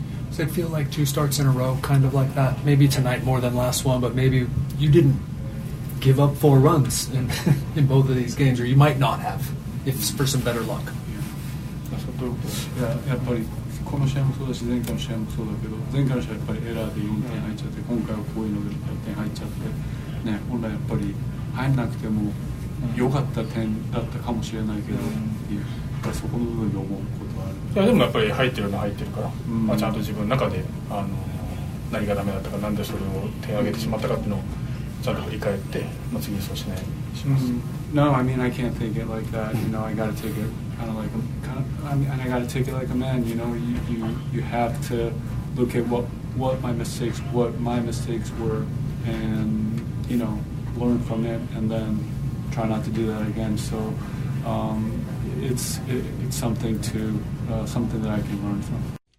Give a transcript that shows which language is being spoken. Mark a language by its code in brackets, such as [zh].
[en] Does it feel like two starts in a row kind of like that? Maybe tonight more than last one but maybe you didn't give up four runs in, in both of these games or you might not have if for some better luck. [ja] Yeah, やっぱりこの試合もそうだし前回の試合もそうだけど前回の試合やっぱりエラーで4点入っちゃって今回はこういうので4点入っちゃってね本来やっぱり入んなくても良かった点だったかもしれないけど、うん、やっぱりそこの部分で思うことはある。いやでもやっぱり入ってるのは入ってるから、うんまあ、ちゃんと自分の中であの何がダメだったか、なんでそれを手を挙げてしまったかっていうのをちゃんと振り返って、まあ、次にそうしないします。 [en] No, I mean I can't take it like that. You know, I gotta take it kind of like a, kind of, I mean, I gotta take it like a man. You know, you have to look at what my mistakes were, and you know. Learn from it and then try not to do that again. So it's something to something that I can learn from.